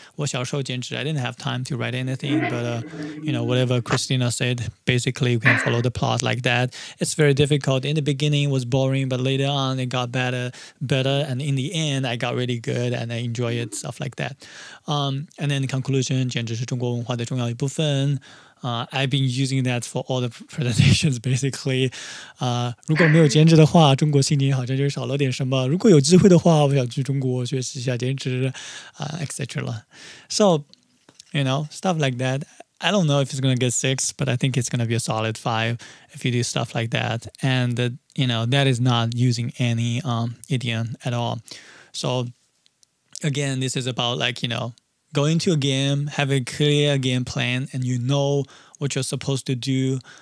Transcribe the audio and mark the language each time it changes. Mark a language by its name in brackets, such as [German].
[Chinese] 我小时候剪纸, [English] I didn't have time to write anything, but you know, whatever Christina said, basically you can follow the plot like that. It's very difficult. In the beginning, it was boring, but later on, it got better, and in the end, I got really good, and I enjoy it, stuff like that. And then the conclusion, [Chinese] 剪纸是中国文化的重要一部分。 [English] I've been using that for all the presentations, basically. [Chinese] 如果没有剪纸的话，中国心里好像就少了点什么。如果有机会的话，我想去中国学习一下剪纸etc. [English] So, you know, stuff like that. I don't know if it's going to get 6, but I think it's going to be a solid 5 if you do stuff like that. And, you know, that is not using any idiom at all. So, again, this is about, like, you know,go into a game, have a clear game plan, and you know what you're supposed to do.